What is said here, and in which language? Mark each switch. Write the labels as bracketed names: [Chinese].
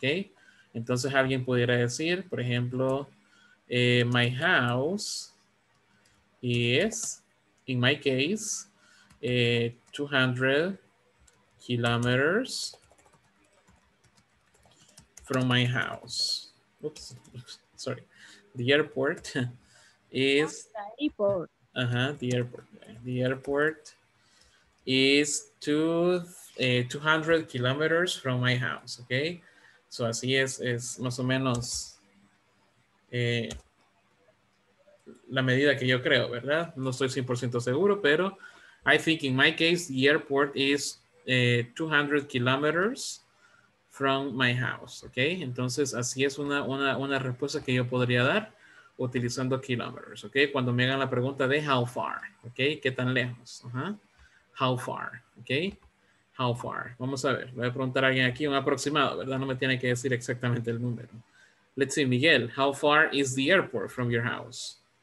[English] Okay, [Spanish] entonces alguien pudiera decir, por ejemplo, [English] my house is, in my case, 200 kilometers from my house. Oops, sorry. The airport is... The airport is 200 kilometers from my house, okay? [Spanish] So así es más o menos la medida que yo creo, ¿verdad? No estoy 100% seguro, pero... [English] I think in my case, the airport is 200 kilometers from my house, okay? [Spanish] Entonces, así es una respuesta que yo podría dar utilizando kilometers, okay? Cuando me hagan la pregunta de [English] how far, [Spanish] okay? ¿Qué tan lejos? [English] How far, okay? How far? [Spanish] Vamos a ver, voy a preguntar a alguien aquí un aproximado, ¿verdad? No me tiene que decir exactamente el número. [English] Let's see, Miguel, how far is the airport from your house?